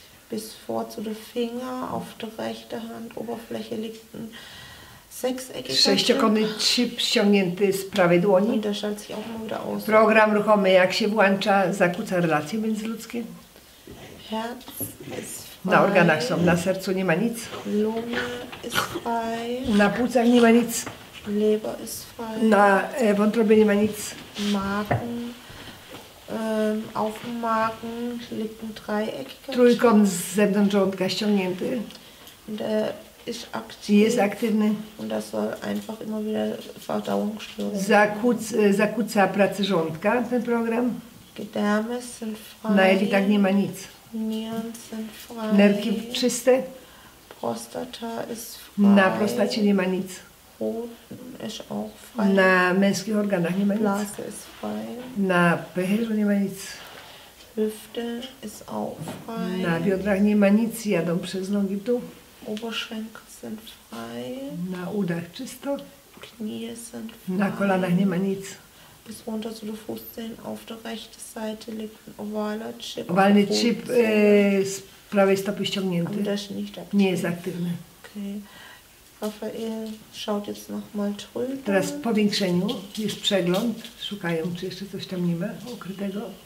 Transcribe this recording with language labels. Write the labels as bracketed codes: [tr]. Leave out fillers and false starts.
[de] Bis vor zu den Finger auf der rechten Hand Oberfläche liegt ein sechseckiger [pl] sześciokątny chip ściągnięty z prawej dłoni. [de] Und das schaltet sich auch immer wieder aus. [pl] Program ruchomy, jak się włącza, zakłóca relacje międzyludzkie. [de] Herz ist frei. [pl] Na organach są, na sercu nie ma nic. [de] Lunge ist frei. [pl] Na płucach nie ma nic. [de] Leber ist frei. [pl] Na wątrobie nie ma nic. [de] Magen. Auf dem Magen liegt ein dreieckiger [pl] Trójkąt z zewnątrz żołądka ściągnięty. [de] Der ist aktiv. [pl] Jest aktywny. [de] Und das soll einfach immer wieder Verdauungsstörungen. [pl] Zakłóca pracę żołądka ten program. [de] Gedärme sind frei. [pl] Na jelitach nie ma nic. [de] Nieren sind frei. [pl] Nerki czyste. [de] Prostata ist frei. [pl] Na prostacie nie ma nic. [de] Ist auch frei. [pl] Na męskich organach nie ma nic. [de] Ist frei. [pl] Na pęcherzu nie ma nic. [de] Hüfte ist auch frei. [pl] Na biodrach nie ma nic, jadą przez nogi tu. [de] Oberschenkel sind frei. [pl] Na udach czysto. [de] Knie sind frei. [pl] Na kolanach nie ma nic. [de] Bis runter zu den Fußzehen auf der rechten Seite liegt ein ovaler Chip. [pl] Owalny Chip z prawej stopy ściągnięty. Nie jest aktywny. Okay. [de] Rafael schaut jetzt noch mal drüber. [pl] Teraz w powiększeniu jest przegląd. Szukają, czy jeszcze coś tam nie ma ukrytego.